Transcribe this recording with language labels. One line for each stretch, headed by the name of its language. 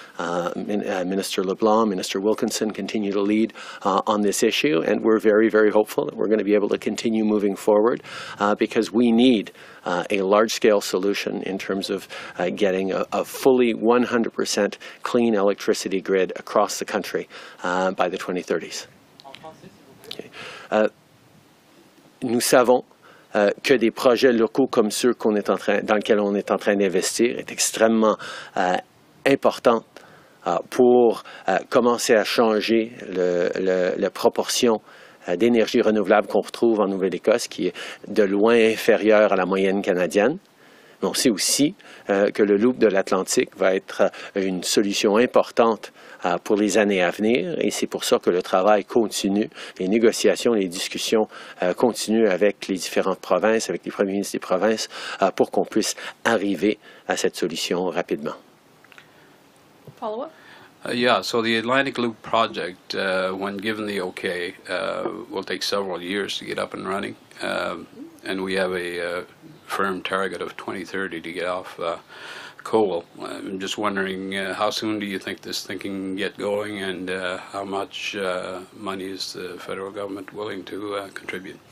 English: Minister LeBlanc, Minister Wilkinson continue to lead on this issue, and we're very, very hopeful that we're going to be able to continue moving forward because we need a large-scale solution in terms of getting a fully 100% clean electricity grid across the country by the 2030s.
French: Nous savons que des projets locaux comme ceux qu'on est en train, dans lesquels on est en train d'investir est extrêmement important pour commencer à changer la proportion d'énergie renouvelable qu'on retrouve en Nouvelle-Écosse, qui est de loin inférieure à la moyenne canadienne. Mais on sait aussi que le loop de l'Atlantique va être une solution importante pour les années à venir, et c'est pour ça que le travail continue, les négociations, les discussions continuent avec les différentes provinces, avec les premiers ministres des provinces, pour qu'on puisse arriver à cette solution rapidement.
English: Follow-up? Yeah, so the Atlantic Loop project, when given the okay, will take several years to get up and running, and we have a firm target of 2030 to get off coal. I'm just wondering, how soon do you think this thing can get going, and how much money is the federal government willing to contribute?